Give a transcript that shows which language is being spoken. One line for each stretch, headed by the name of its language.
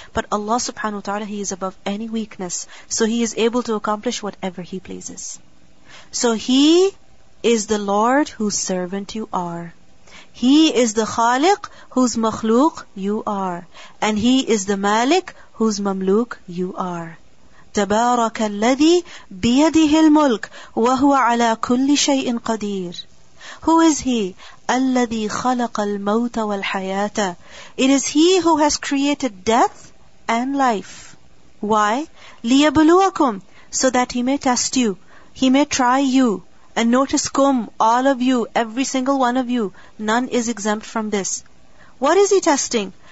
English: But Allah subhanahu wa ta'ala, He is above any weakness. So He is able to accomplish whatever He pleases. So He is the Lord whose servant you are. He is the Khaliq whose makhluq you are. And He is the Malik whose mamluk you are. تبارك الذي بيده الملك وهو على كل شيء قدير. Who is He?
Arabic: الذي خلق الموت والحياة.
English: It is He who has created death and life. Why?
Arabic: ليبلوكم,
English: so that He may test you, He may try you. And notice, كم, all of you, every single one of you, none is exempt from this. What is He testing?